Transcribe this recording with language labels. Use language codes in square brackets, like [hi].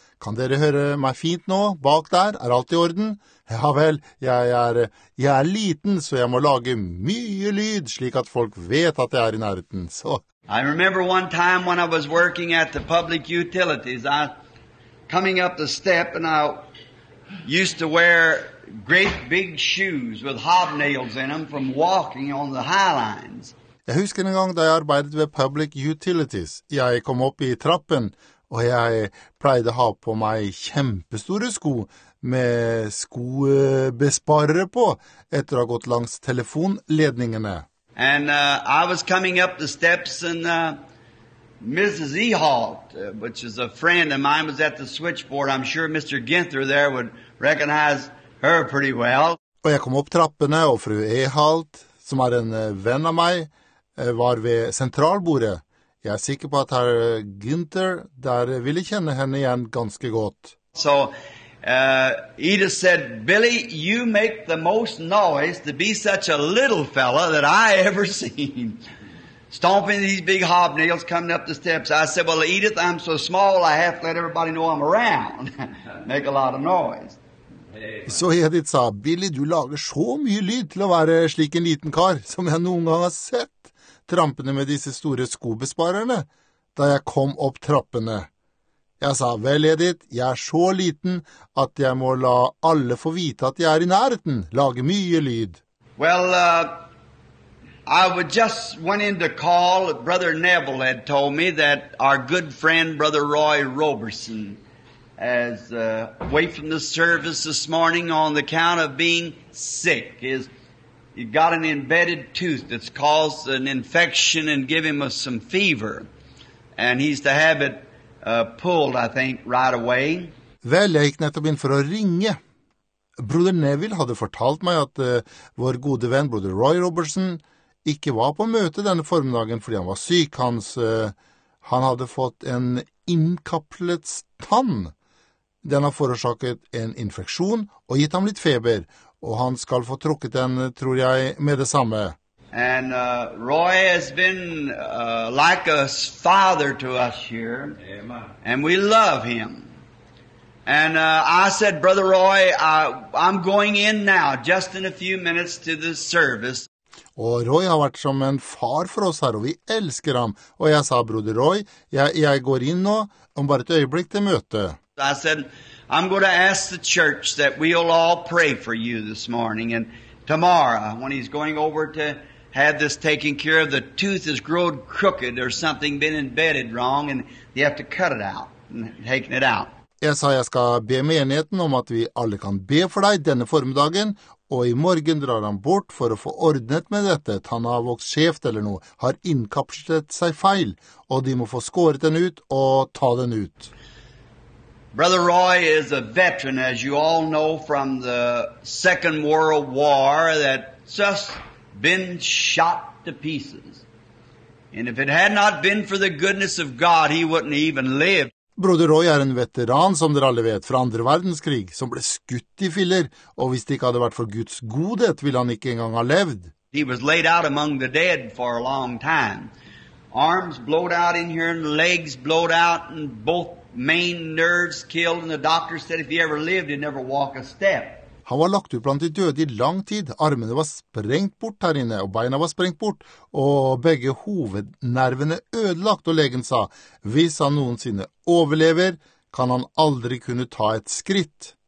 [no] Kan dere høre meg fint nå, bak der? Er alt i orden? Ja vel, jeg er liten, så jeg må lage mye lyd slik at folk vet at jeg er i nærheten. Så. [en] I remember one time when I was working at the public utilities, I coming up the step and I used to wear great big shoes with hobnails in them from walking on the high lines. [no] Jeg husker en gang da jeg arbeidet ved [en] public utilities. [no] Jeg kom opp i trappen. Og jeg pleide å ha på meg kjempestore sko med skobesparere på etter å ha gått langs telefonledningene. [en] And I was coming up the steps and Mrs. Ehalt, which is a friend of mine, was at the switchboard. I'm sure Mr. Ginther there would recognize her pretty well. [no] Og jeg kom opp trappene, og fru Ehalt, som en venn av meg, var ved sentralbordet. Jeg sikker på at herr Ginther der ville kjenne henne igjen ganske godt. [en] So, Edith said, Billy, you make the most noise to be such a little fella that I ever seen. Stomping these big hobnails coming up the steps. I said, well, Edith, I'm so small I have to let everybody know I'm around. Make a lot of noise. [no] Så Edith sa, Billy, du lager så mye lyd til å være slik en liten kar som jeg noen gang har sett. Trampene med disse store skobesparerne, da jeg kom opp trappene. Jeg sa, vel, Edith, jeg så liten at jeg må la alle få vite at jeg i nærheten, lage mye lyd. [en] Well, I would just went in to call, Brother Neville had told me that our good friend, Brother Roy Roberson, has away from the service this morning on the count of being sick, is he got an embedded tooth that's caused an infection and give him some fever. And he's to have it pulled, I think, right away. [no] Vel, jeg gikk nettopp inn for å ringe. Broder Neville hadde fortalt meg at vår gode venn, Broder Roy Robertson, ikke var på møte denne formiddagen fordi han var syk. Han hadde fått en innkaplet tann. Den har forårsaket en infeksjon og gitt ham litt feber. Og han skal få trukket den, tror jeg, med det samme. [en] And Roy has been like a father to us here. And we love him. And I said, Brother Roy, I'm going in now, just in a few minutes to the service. [no] Og Roy har vært som en far for oss her, og vi elsker ham. Og jeg sa, Broder Roy, jeg går inn nå, om bare et øyeblikk til møte. [en] I said, I'm going to ask the church that we'll all pray for you this morning and tomorrow when he's going over to have this taken care of. The tooth has grown crooked or something been embedded wrong and you have to cut it out and taken it out. [no] Jeg sa jeg skal be menigheten om at vi alle kan be for deg denne formiddagen, og i morgen drar han bort for å få ordnet med dette. Han har vokst skjevt eller noe, har innkapslet seg feil, og de må få skåret den ut og ta den ut. [en] Brother Roy is a veteran, as you all know, from the Second World War that's just been shot to pieces. And if it had not been for the goodness of God, he wouldn't even live. [no] Broder Roy en veteran, som dere alle vet, fra andre verdenskrig, som ble skutt i filler, og hvis det ikke hadde vært for Guds godhet, ville han ikke engang ha levd. [en] He was laid out among the dead for a long time. Arms blowed out in here and legs blowed out and both main nerves killed, and the doctor said if he ever lived, he'd never walk a step. [no] Han var lagt ut blant de døde i lang tid. Armene var sprengt bort her inne, og beina var sprengt bort, og begge hovednervene ødelagt, og legen sa, hvis han noensinne overlever, kan han aldri kunne ta et skritt.